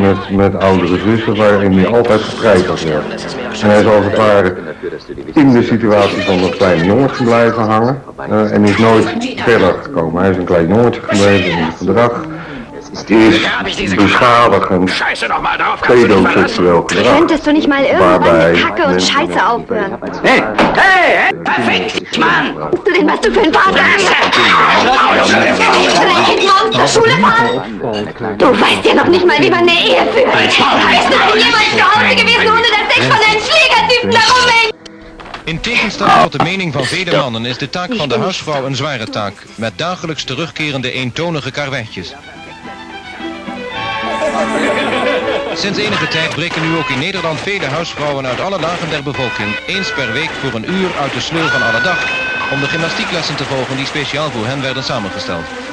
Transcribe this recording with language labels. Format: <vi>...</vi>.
<nl>Met oudere zussen waarin hij altijd gestrijkeld werd. En hij is als het ware in de situatie van dat kleine jongetje blijven hangen en is nooit verder gekomen. Hij is een klein jongetje gebleven in het gedrag, is beschadigend, pedoseksueel gedrag.</nl> <de>Könnte es doch nicht mal irgendwann mit Kacke und Scheiße aufhören? Hey! Was du für ein Vater bist! Du Kind morgen zur Schule fahren! Du weißt ja noch nicht mal, wie man eine Ehe führt! Bist du denn jemals zu Hause gewesen, ohne dass ich von einem Schlägertypen da rumhänge?</de> <nl>In tegenstelling tot de mening van vele mannen is de taak van de huisvrouw een zware taak, met dagelijks terugkerende eentonige karweitjes. Sinds enige tijd breken nu ook in Nederland vele huisvrouwen uit alle lagen der bevolking, eens per week voor een uur uit de sleur van alle dag, om de gymnastieklessen te volgen die speciaal voor hen werden samengesteld.</nl>